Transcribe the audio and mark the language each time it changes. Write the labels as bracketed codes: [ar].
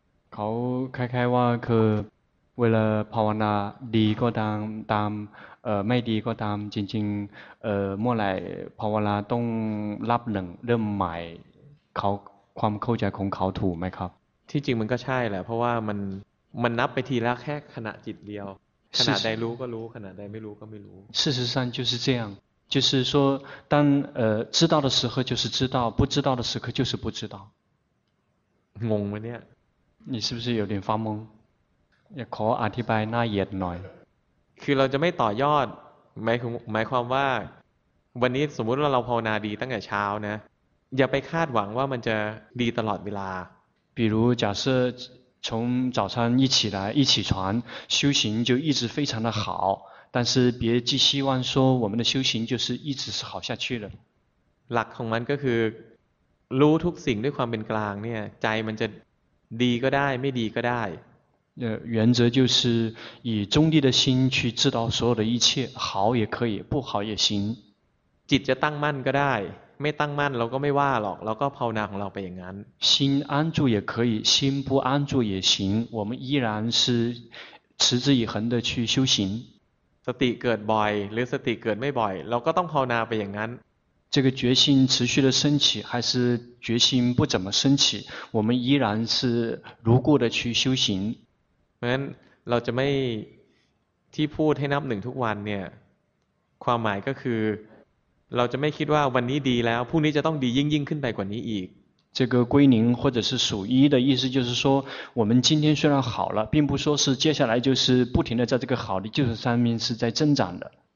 [th] เขาคล้ายๆว่าคือเวลาภาวนาดีก็ตามไม่ดีก็ตามจริงๆเมื่อไหร่ภาวนาต้องรับหนึ่งเริ่มใหม่เขาความเข้าใจของเขาถูกไหมครับ ที่จริงมันก็ใช่แหละเพราะว่ามันนับไปทีละแค่ขณะจิตเดียวขณะใดรู้ก็รู้ขณะใดไม่รู้ก็ไม่รู้ [zh] 事实上就是这样就是说当知道的时候就是知道不知道的时刻就是不知道 [th] งงไหมเนี่ย [zh] 你是不是有点发懵 [th] ขออธิบายละเอียดหน่อย คือเราจะไม่ต่อยอดหมายความว่าวันนี้สมมุติว่าเราภาวนาดีตั้งแต่เช้านะอย่าไปคาดหวังว่ามันจะดีตลอดเวลา [zh] 比如假设从早上一起来一起床修行就一直非常的好但是别寄希望说我们的修行就是一直是好下去的 [th] หลักของมันก็คือรู้ทุกสิ่งด้วยความเป็นกลางเนี่ยใจมันจะดีก็ได้ไม่ดีก็ได้ [zh] 原则就是以中立的心去知道所有的一切，好也可以，不好也行。 [th] จิตจะตั้งมั่นก็ได้ไม่ตั้งมั่นเราก็ไม่ว่าหรอกเราก็ภาวนาของเราไปอย่างนั้น [zh] 心安住也可以，心不安住也行，我们依然是持之以恒的去修行。 [th] สติเกิดบ่อยหรือสติเกิดไม่บ่อยเราก็ต้องภาวนาไปอย่างนั้น [zh] 这个决心持续的升起还是决心不怎么升起我们依然是如故的去修行 [th] เพราะฉะนั้นเราจะไม่ที่พูดให้นับหนึ่งทุกวันเนี่ยความหมายก็คือเราจะไม่คิดว่าวันนี้ดีแล้วพรุ่งนี้จะต้องดียิ่งขึ้นไปกว่านี้อีก [zh] 这个归零或者是数一的意思就是说我们今天虽然好了并不说是接下来就是不停的在这个好的基础上面是在增长的